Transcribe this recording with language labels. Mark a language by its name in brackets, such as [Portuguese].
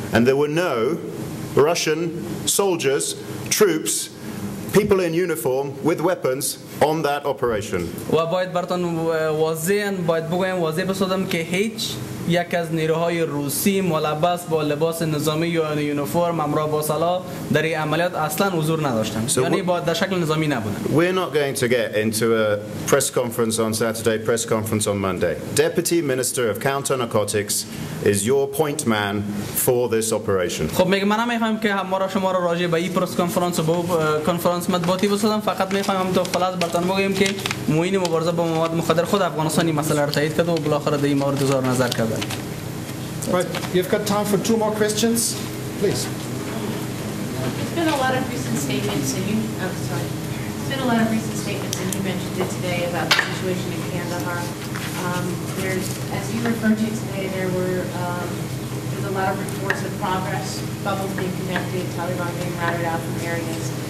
[English] And there were no Russian soldiers, troops, people in uniform with weapons on that operation. [Persian] و باید برتون واضحاً باید بگویم واضح بسازم که هیچ یک از نیروهای روسی ملبس با لباس نظامی یا یونیفرم همراه با سلاح در این عملیات اصلا حضور نداشتند یعنی با در شکل نظامی نبودند [English] We're not going to get into a press conference on Saturday, press conference on Monday. Deputy Minister of Counter-Narcotics is your point man for this operation. [Persian] خب میگم من میخوام که ما را شما را راجع به این پرس کنفرانس و کنفرانس مطبوعاتی بسازم فقط میخوام تو خلاص برتون بگم که معین مبارزه با مواد مخدر خود افغانستانی مسئله را تایید کرد و بالاخره در این مورد زار نظر کرد. [English] Right, you've got time for two more questions, please. There's been a lot of recent statements, and you. Oh, sorry. There's been a lot of recent statements, and you mentioned it today about the situation in Kandahar. There's, as you referred to today, there's a lot of reports of progress, bubbles being connected, Taliban being routed out from areas.